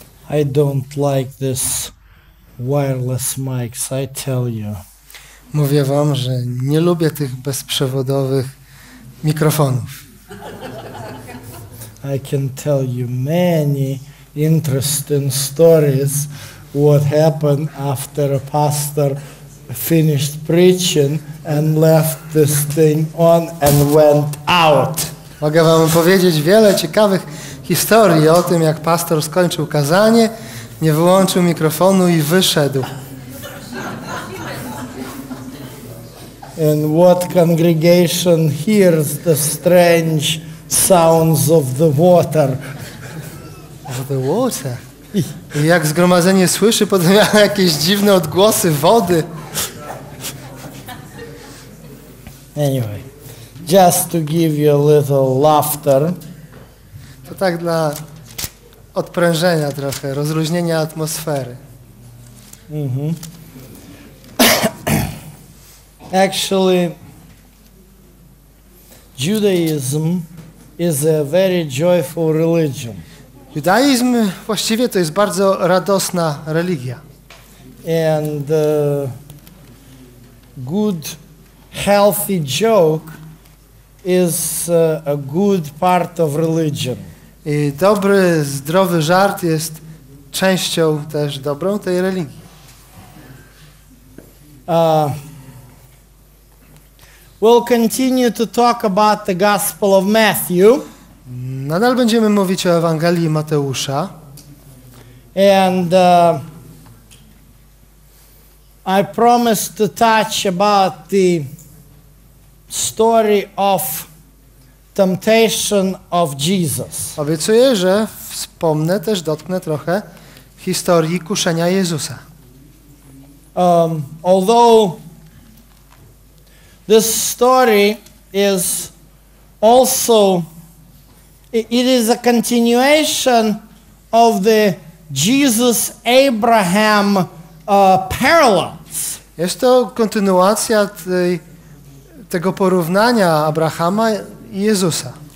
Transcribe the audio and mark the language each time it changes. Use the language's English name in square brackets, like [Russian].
[English] I don't like this wireless mics, I tell you. [Polish] Mówię wam, że nie lubię tych bezprzewodowych mikrofonów. [English] I can tell you many interesting stories what happened after a pastor finished preaching and left this thing on and went out. [Polish] Mogę wam opowiedzieć wiele ciekawych historii o tym, jak pastor skończył kazanie, nie wyłączył mikrofonu i wyszedł. [English] And what congregation hears the strange sounds of the water? Of the water? [Polish] I jak zgromadzenie słyszy podmiany jakieś dziwne odgłosy wody? [English] Anyway, just to give you a little laughter. [Polish] To tak dla odprężenia trochę, rozluźnienia atmosfery. [English] Actually, Judaism is a very joyful religion. [Polish] Judaizm właściwie to jest bardzo radosna religia. [English] And good healthy joke is a good part of religion. [Polish] I dobry, zdrowy żart jest częścią też dobrą tej religii. [English] We'll continue to talk about the Gospel of Matthew. [Polish] Nadal będziemy mówić o Ewangelii Mateusza. [English] And I promise to touch about the story of temptation of Jesus. [Polish] Obiecuję, że wspomnę też, dotknę trochę historii kuszenia Jezusa. [English] Although this story is also, it is a continuation of the Jesus-Abraham parallels. [Polish] Jest to kontynuacja tego porównania Abrahama i Jezusa.